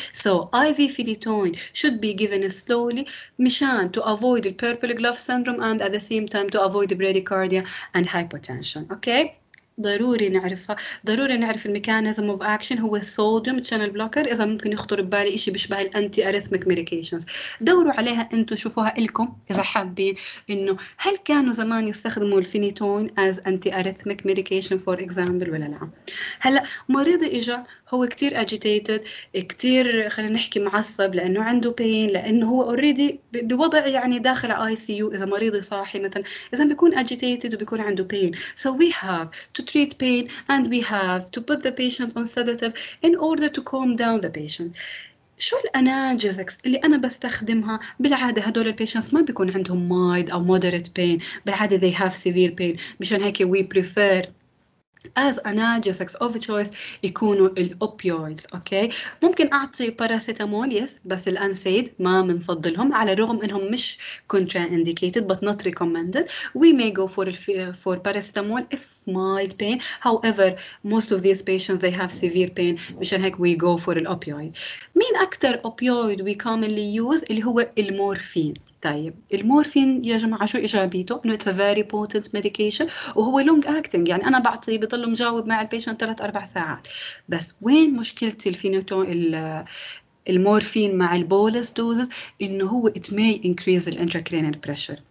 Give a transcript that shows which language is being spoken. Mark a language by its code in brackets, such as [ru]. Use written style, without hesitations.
[en] So IV phenytoin should be given slowly [ar] مشان [en] to avoid purple glove syndrome and at the same time to avoid bradycardia and hypotension. [ar] Okay؟ ضروري نعرفها، ضروري نعرف الميكانيزم اوف اكشن هو الصوديوم شانل بلوكر. اذا ممكن يخطر ببالي شيء بيشبه الانتي اريثميك ميديكيشنز، دوروا عليها انتم شوفوها لكم اذا حابين، انه هل كانوا زمان يستخدموا الفينيتون از انتي اريثميك ميديكيشن فور اكزامبل ولا لا. هلا مريض اجى هو كتير اجيتيتد، كتير خلينا نحكي معصب لانه عنده بين، لانه هو اوريدي بوضع يعني داخل اي سي يو. اذا مريض صاحي مثلا، اذا بيكون اجيتيتد وبيكون عنده بين، [en] So we have to treat pain and we have to put the patient on sedative in order to calm down the patient. [ar] شو الاناجيزكس اللي انا بستخدمها؟ بالعاده هدول البيشنتس ما بيكون عندهم مايد او مودريت بين، بالعاده [en] they have severe pain. [ar] مشان هيك [en] we prefer as analgesics of choice [ar] يكونوا الأوبيويدز. أوكي، ممكن أعطي باراسيتامول يس، بس الأنسيد ما منفضلهم على الرغم إنهم مش [en] contra indicated but not recommended. We may go for paracetamol if mild pain. However, most of these patients they have severe pain. [ar] مشان هيك [en] we go for the opioid. [ar] مين أكتر opioid [en] we commonly use [ar] اللي هو المورفين. طيب المورفين يا جماعة شو إيجابيته؟ إنه [en] it's a very potent medication [ar] وهو [en] long acting، [ar] يعني أنا بعطيه بيضل مجاوب مع البيشنت 3-4 ساعات. بس وين مشكلتي الفينيتون المورفين مع البولس دوزز؟ إنه هو [en] it may increase the intracranial pressure.